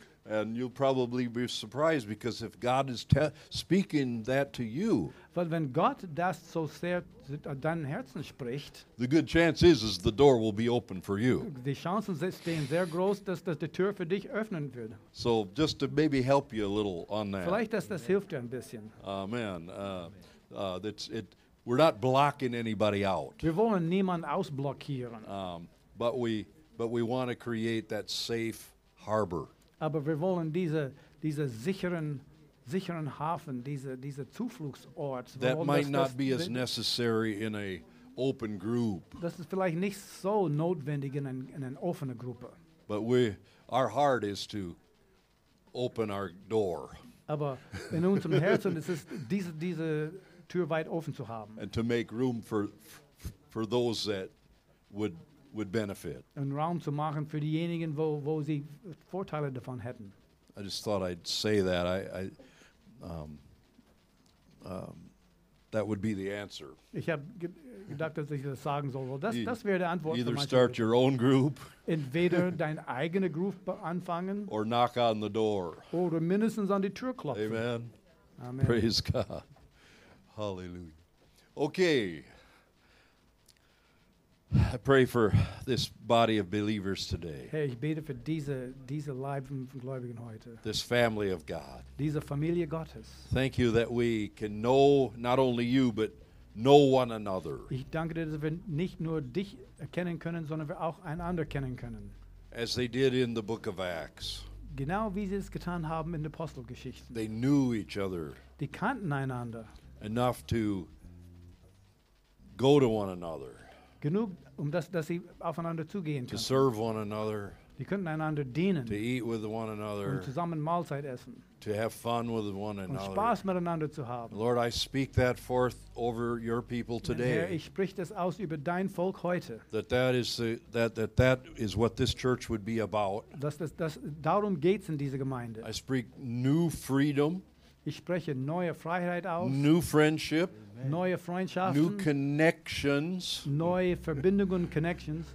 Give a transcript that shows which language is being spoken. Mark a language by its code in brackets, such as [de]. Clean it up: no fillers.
[en] And you'll probably be surprised, because if God is speaking that to you, [de] weil wenn Gott das so sehr deinem Herzen spricht, [en] the good chance is the door will be open for you. [de] Die Chancen stehen sehr groß, dass die Tür für dich öffnen wird. [en] So just to maybe help you a little on that. [de] Vielleicht das hilft dir ein bisschen. [en] Amen. We're not blocking anybody out. [de] Wir wollen niemanden ausblockieren. [en] But we want to create that safe harbor. [de] Aber wir wollen diese sicheren Hafen, diese Zufluchtsort. [en] That might not be as necessary in a open group. [de] Das ist vielleicht nicht so notwendig in einer offenen Gruppe. [en] But we, our heart is to open our door. [de] Aber in unserem Herzen ist es, diese Tür weit offen zu haben. [en] And to make room for those that would benefit. [de] Und Raum zu machen für diejenigen, wo sie Vorteile davon hätten. [en] I just thought I'd say that. I that would be the answer. [de] Ich habe gedacht, dass ich das sagen soll. Well, das wäre die Antwort. [en] Either start your own group. [de] Entweder deine eigene Gruppe anfangen. [en] Or knock on the door. [de] Oder mindestens an die Tür klopfen. [en] Amen. Amen. Praise God. Hallelujah. Okay. I pray for this body of believers today. [de] Hey, ich bete für diese Leib von Gläubigen heute. [en] This family of God. [de] Diese Familie Gottes. [en] Thank you that we can know not only you, but know one another. [de] Ich danke dir, dass wir nicht nur dich erkennen können, sondern wir auch einander kennen können. [en] As they did in the book of Acts. [de] Genau wie sie es getan haben in der Apostelgeschichte. [en] They knew each other. [de] Die kannten einander. [en] Enough to go to one another. [de] Genug, dass sie aufeinander zugehen können. [en] To serve one another. [de] Die könnten einander dienen. [en] To eat with one another. [de] Und zusammen Mahlzeit essen. [en] To have fun with one another. [de] Und Spaß miteinander zu haben. [en] Lord, I speak that forth over your people today. [de] Herr, ich sprich das aus über dein Volk heute. [en] That is what this church would be about. [de] Dass darum geht's in dieser Gemeinde. [en] I speak new freedom. [de] Ich spreche neue Freiheit aus. [en] New friendship. [de] Neue Freundschaften, [en] new connections, [de] neue Verbindungen, connections,